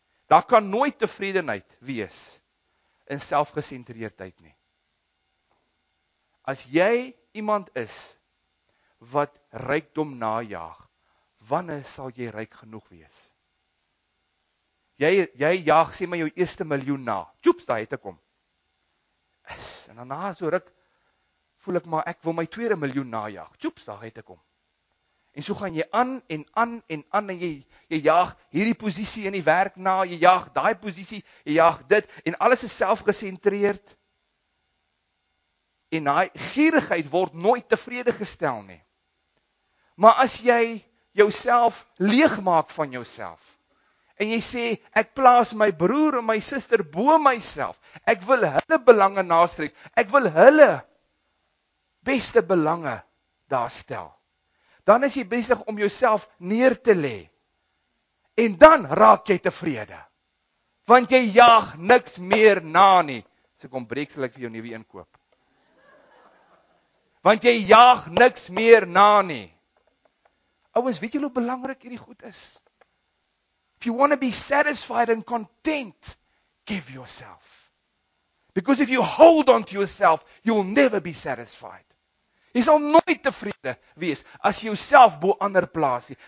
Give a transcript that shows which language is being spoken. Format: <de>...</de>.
<af>Daar kan nooit tevredenheid wees, in selfgesentreerdheid nie. As jy iemand is, wat rykdom najaag, wanneer sal jy ryk genoeg wees? Jy jaag sê maar jou eerste miljoen na. Joeps, daar het ek kom. En daarna so ruk, voel ek maar ek wil my tweede miljoen najaag. Joeps, daar het ek kom. En so gaan jy aan en jy jaag hierdie posisie in die werk na, jy jaag daai posisie, jy jaag dit, en alles is selfgesentreerd. En daai gierigheid word nooit tevrede gestel nie. Maar as jy jouself leeg maak van jouself. En jy sê, ek plaas my broer en my suster bo myself. Ek wil hulle belange nastreek. Ek wil hulle beste belange daar stel. Dan is jy besig om jouself neer te lê. En dan raak jy tevrede. Want jy jaag niks meer na nie. So kom breksel ek vir jou nuwe inkoop. Want jy jaag niks meer na nie. Ouens, weet julle hoe belangrik hierdie goed is?</af> <en>If you want to be satisfied and content, give yourself. Because if you hold on to yourself, you'll never be satisfied.</en> <af>Jy sal nooit tevrede wees as jy jouself bo ander plaas nie.</af>